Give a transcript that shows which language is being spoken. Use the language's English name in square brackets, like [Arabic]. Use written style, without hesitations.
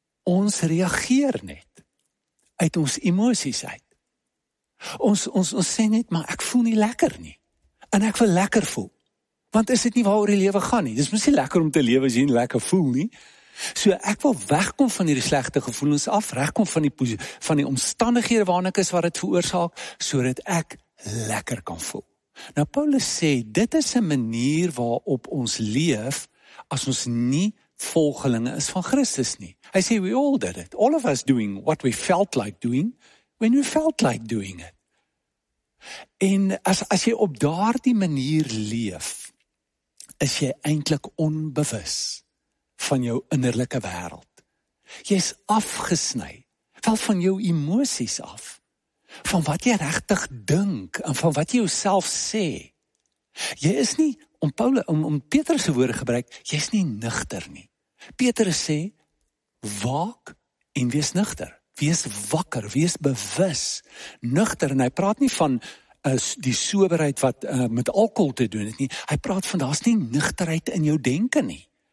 [Afrikaans] Ons reageer net uit ons emosies uit. Ons sê net maar ek voel nie lekker nie. En ek wil lekker voel. Want is dit nie waaroor die lewe gaan nie? Dis mos nie lekker om te lewe as jy nie lekker voel nie. So ek wil wegkom van hierdie slegte gevoelens af, regkom van die omstandighede waarin ek is wat dit veroorsaak sodat ek lekker kan voel. Nou Paulus sê, dit is 'n manier waarop ons leef as ons nie volgelinge is van Christus nie. Hy sê, [English] we all did it. All of us doing what we felt like doing, when we felt like doing it. [Afrikaans] En as jy op daardie manier leef, is jy eintlik onbewus van jou innerlike wêreld. Jy's afgesny, wel van jou emosies af. Van wat jy regtig dink en van wat jy jouself sê. Jy is nie, om Petrus se woorde gebruik, jy is nie nugter nie. Petrus sê, waak en wees nugter. Wees wakker, wees bewus, nugter. En hy praat nie van die soberheid wat met alkohol te doen het nie. Hy praat van daar's nie nugterheid in jou denke nie.